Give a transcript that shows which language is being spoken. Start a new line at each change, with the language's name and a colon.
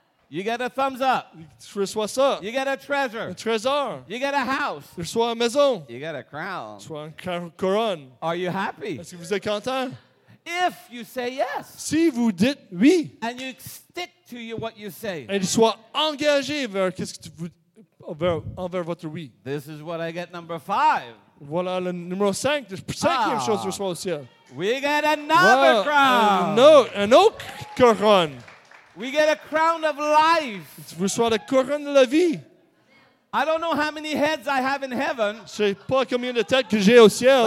English: You get a thumbs up.
French: Tu reçois ça.
English: You get a treasure.
French: Un trésor.
English: You get a house.
French: Tu reçois une maison.
English: You get a crown.
French: Tu reçois une couronne.
English: Are you happy?
French: Est-ce que vous êtes content?
English: If you say yes,
French: si vous dites oui,
English: and you stick to you what you say,
French: et sois engagé vers qu'est-ce que vous envers votre oui.
English: This is what I get number five.
French: Voilà le numéro 5. La cinquième chose que je reçois aussi.
English: We get another crown.
French: Un autre couronne.
English: We get a crown of life.
French: Vous reçoit la couronne de la vie.
English: I don't know how many heads I have in heaven.
French: Je sais pas combien de têtes que j'ai au ciel.